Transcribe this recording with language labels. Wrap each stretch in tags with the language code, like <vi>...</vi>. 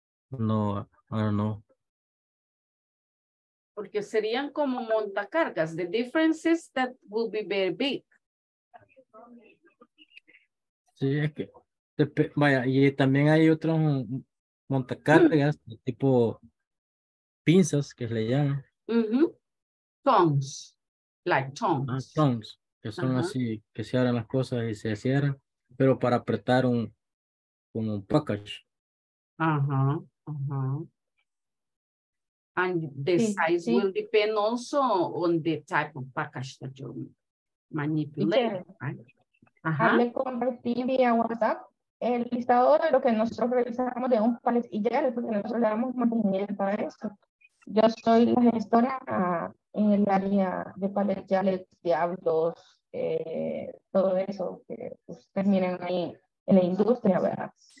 <en>No, I don't know.</en> <es>Porque serían como montacargas.</es> <en>The difference is that will be very big.</en> <es>Sí, es que vaya, y también hay otros montacargas, mm-hmm, tipo pinzas que le llaman.</es> <en>Mm-hmm. Tongs, like tongs.</en> <es>Tongs, que son, uh-huh, así, que se abren las cosas y se cierran. Pero para apretar un como un package. Ajá, ajá.</es> <en>And the size will depend also on the type of package that you manipulate.</en> <es>Le compartí vía WhatsApp el listado de lo que nosotros realizamos de un palet y ya, porque nosotros le damos mantenimiento a eso. Yo soy la gestora en el área de palet, ya les hablo todo eso que ustedes miran ahí en la industria, ¿verdad?</es>